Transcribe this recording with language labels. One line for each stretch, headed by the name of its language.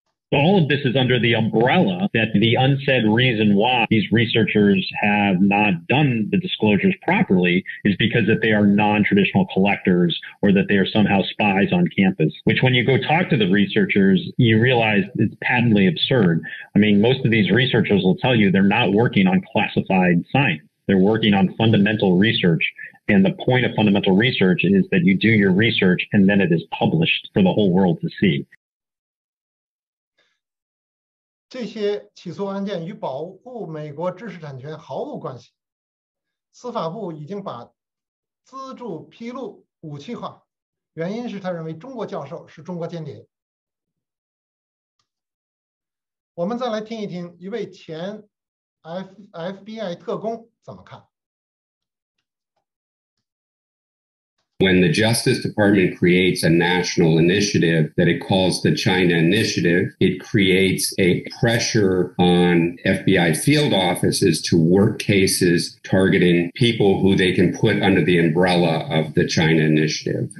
English: All of this is under the umbrella that the unsaid reason why these researchers have not done the disclosures properly is because that they are non-traditional collectors or that they are somehow spies on campus, which when you go talk to the researchers, you realize it's patently absurd. I mean, most of these researchers will tell you they're not working on classified science. They're working on fundamental research. And the point of fundamental research is that you do your research and then it is published for the whole world to see.
Chinese: 这些起诉案件与保护美国知识产权毫无关系。司法部已经把资助披露武器化，原因是他认为中国教授是中国间谍。我们再来听一听一位前 FBI 特工怎么看。
English: When the Justice Department creates a national initiative that it calls the China Initiative, it creates a pressure on FBI field offices to work cases targeting people who they can put under the umbrella of the China Initiative.